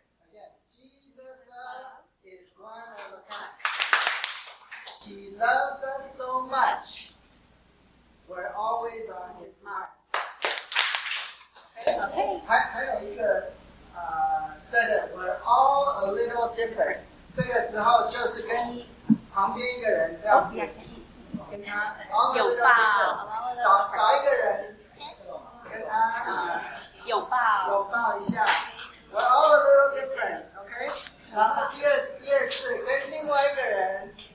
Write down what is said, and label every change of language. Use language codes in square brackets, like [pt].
[en] Again, Jesus' love is one of a kind. He loves us so much. We're always on his mind. Okay. [zh] 还有一个，对的 [en] ，We're all a little different. [zh] 这个时候就是跟旁边一个人这样子，跟他拥抱，找一个人，跟他拥抱一下。 [en] We're all a little different, OK? [zh] 然后第二次跟另外一个人，